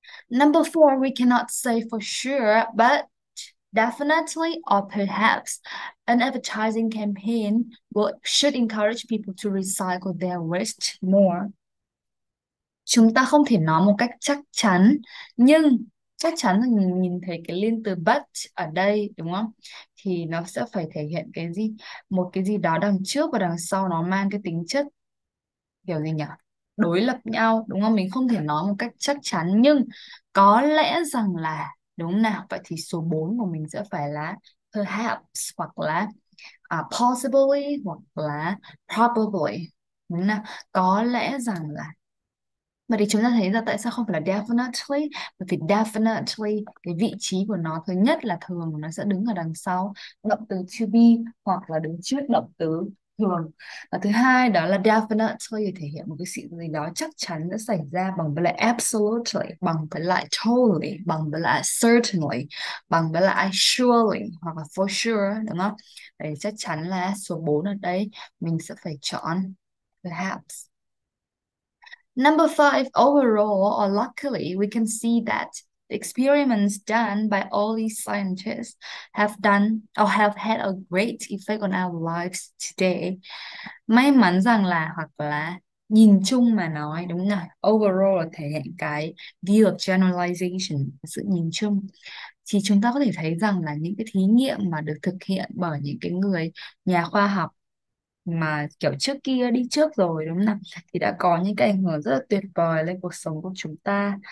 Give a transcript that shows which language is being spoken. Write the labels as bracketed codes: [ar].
[en] Number 4, we cannot say for sure, but definitely or perhaps an advertising campaign will, should encourage people to recycle their waste more. [vi] Chúng ta không thể nói một cách chắc chắn, nhưng chắc chắn là nhìn thấy cái liên từ but ở đây đúng không, thì nó sẽ phải thể hiện cái gì, một cái gì đó đằng trước và đằng sau nó mang cái tính chất kiểu gì nhỉ, đối lập nhau đúng không, mình không thể nói một cách chắc chắn nhưng có lẽ rằng là đúng nào, vậy thì số 4 của mình sẽ phải là perhaps hoặc là possibly hoặc là probably đúng nào, có lẽ rằng là. Mà thì chúng ta thấy là tại sao không phải là definitely? Bởi vì definitely, cái vị trí của nó thứ nhất là thường nó sẽ đứng ở đằng sau động từ to be hoặc là đứng trước động từ thường. Và thứ hai đó là definitely thể hiện một cái sự gì đó chắc chắn sẽ xảy ra bằng với lại absolutely, bằng với lại totally, bằng với lại certainly, bằng với lại surely hoặc là for sure, đúng không? Để chắc chắn là số 4 ở đây mình sẽ phải chọn perhaps. [en] Number 5, overall or luckily, we can see that the experiments done by all these scientists have done or have had a great effect on our lives today. [vi] May mắn rằng là, hoặc là nhìn chung mà nói, đúng rồi, overall là thể hiện cái [en] view of generalization, [vi] sự nhìn chung. Thì chúng ta có thể thấy rằng là những cái thí nghiệm mà được thực hiện bởi những cái người nhà khoa học mà kiểu trước kia đi trước rồi đúng không nào, thì đã có những cái ảnh hưởng rất là tuyệt vời lên cuộc sống của chúng ta.